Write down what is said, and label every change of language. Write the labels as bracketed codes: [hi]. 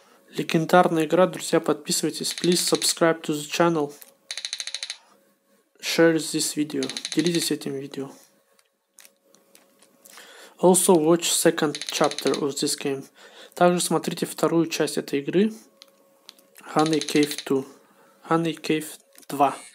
[ru] Легендарная игра, друзья, подписывайтесь. [en] Please subscribe to the channel. Share this video. [ru] Делитесь этим видео. [en] Also watch second chapter of this game. [ru] Также смотрите вторую часть этой игры. Honey Cave 2. Honey Cave 2.